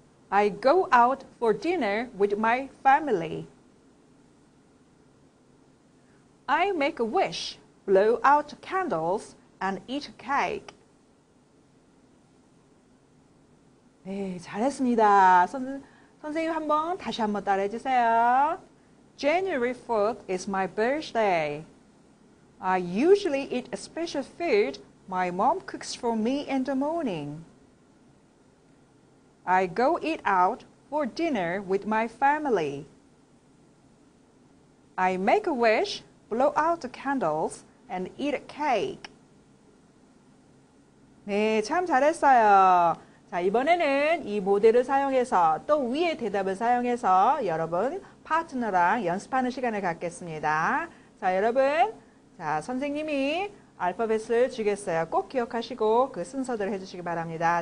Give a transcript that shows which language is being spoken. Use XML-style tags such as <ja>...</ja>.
<en>I go out for dinner with my family. I make a wish, blow out candles, and eat cake.</en> <ko>네, 잘했습니다. 선생님 한번 다시 한번 따라해 주세요.</ko> <en>January 4th is my birthday. I usually eat a special food my mom cooks for me in the morning. I go eat out for dinner with my family. I make a wish, blow out the candles, and eat a cake.</en> <ko>네, 참 잘했어요. 자, 이번에는 이 모델을 사용해서 또 위에 대답을 사용해서 여러분 파트너랑 연습하는 시간을 갖겠습니다. 자, 여러분, 자, 선생님이 알파벳을 주겠어요. 꼭 기억하시고 그 순서대로 해주시기 바랍니다.</ko>